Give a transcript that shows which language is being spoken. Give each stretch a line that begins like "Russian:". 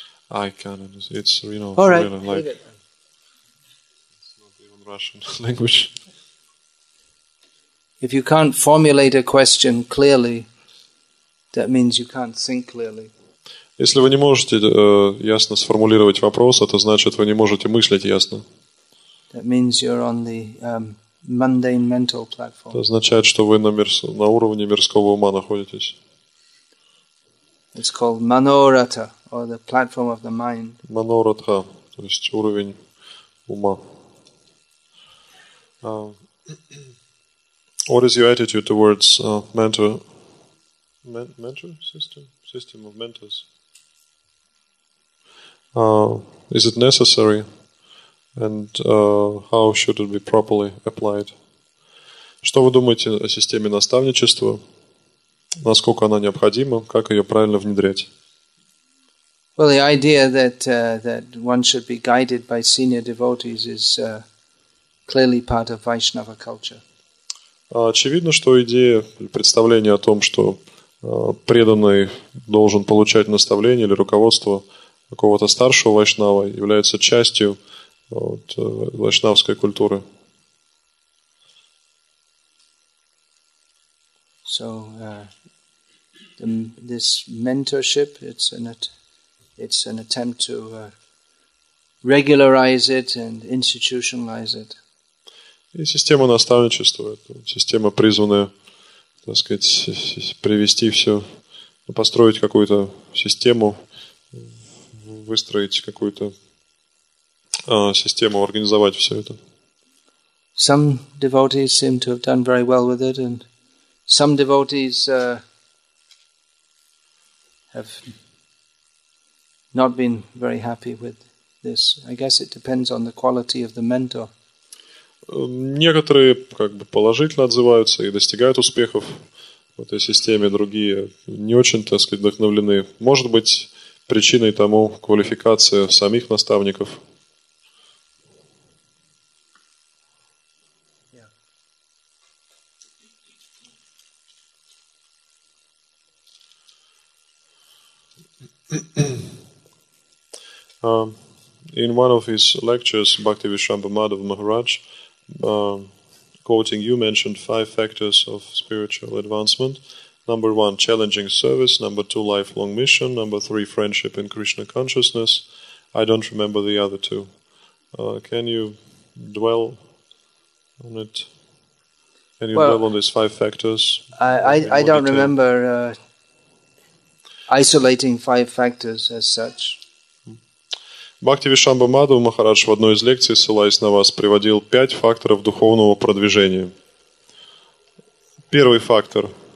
English: I can't. It's, you know, all right, really like. It's not even Russian language. If you can't formulate a question clearly, that means you can't think clearly.
Russian: Если вы не можете ясно сформулировать вопрос, это значит, вы не можете мыслить ясно.
English: That means you're on the, mundane mental platform.
Russian: Это означает, что вы на уровне мирского ума находитесь.
English: It's called manoratha, or the platform of the mind.
Russian: Manoratha, то есть уровень ума.
English: What is your attitude towards mentor system? System of mentors? Is it necessary, and how should it be properly applied?
Russian: Что вы думаете о системе наставничества? Насколько она необходима? Как ее правильно внедрять?
English: Well, the idea that that one should be guided by senior devotees is clearly part of Vaishnava culture.
Russian: Очевидно, что идея, представление о том, что преданный должен получать наставление или руководство какого-то старшего вайшнава, является частью вот, вайшнавской культуры.
English: So, this mentorship, it's an attempt to regularize it and institutionalize it.
Russian: И система наставничества, это система, призванная, так сказать, привести все, построить какую-то систему, выстроить какую-то систему, организовать все это.
English: Some devotees seem to have done very well with it, and some devotees have not been very happy with this. I guess it depends on the quality of the mentor.
Russian: Некоторые как бы положительно отзываются и достигают успехов в этой системе, другие не очень, так сказать, вдохновлены. Может быть, причиной тому квалификация самих наставников.
English: Yeah. In one of his lectures, Bhakti Vishwamba Madhava Maharaj, quoting you, mentioned five factors of spiritual advancement. Number one, challenging service. Number two, lifelong mission. Number three, friendship in Krishna consciousness. I don't remember the other two. Can you dwell on it? Can you dwell on these five factors? I don't remember isolating five factors as such.
Russian: Бхакти Вишамба Мадхава Махарадж в одной из лекций, ссылаясь на вас, приводил пять факторов духовного продвижения. Первый фактор.